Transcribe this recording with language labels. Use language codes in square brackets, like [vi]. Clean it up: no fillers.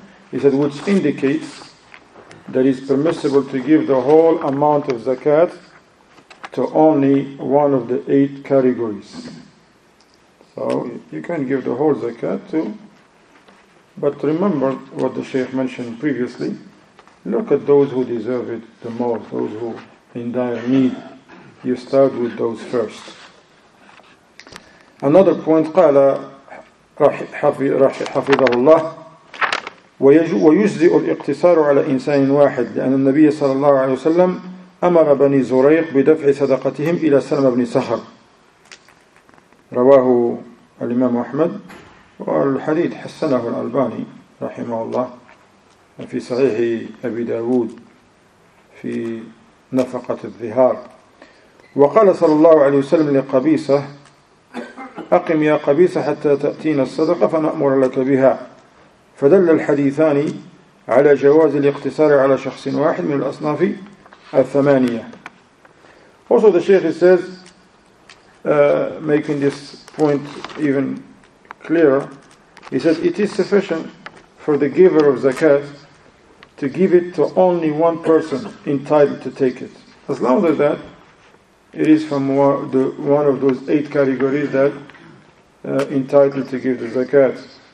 [en] He said, which indicates that it's permissible to give the whole amount of zakat to only one of the eight categories. So you can give the whole zakat to, but remember what the Shaykh mentioned previously. Look at those who deserve it the most, those who in dire need. You start with those first. Another point, [ar] قال حفظه الله ويجزئ الاقتصار على إنسان واحد لأن النبي صلى الله عليه وسلم أمر بني زريق بدفع صدقتهم إلى سلمة بن صخر. رواه الإمام أحمد والحديث حسنه الألباني رحمه الله في صحيح أبي داود في نفقة الظهار. وقال صلى الله عليه وسلم لقبيصة أقم يا قبيصة حتى تأتينا الصدقة فنأمر لك بها. فدل الحديثان على جواز الاقتصار على شخص واحد من الأصناف al-thamaniya. [en] Also, the Shaykh says, making this point even clearer, he says, it is sufficient for the giver of zakat to give it to only one person entitled to take it. As long as that, it is from one of those eight categories that entitled to give the zakat.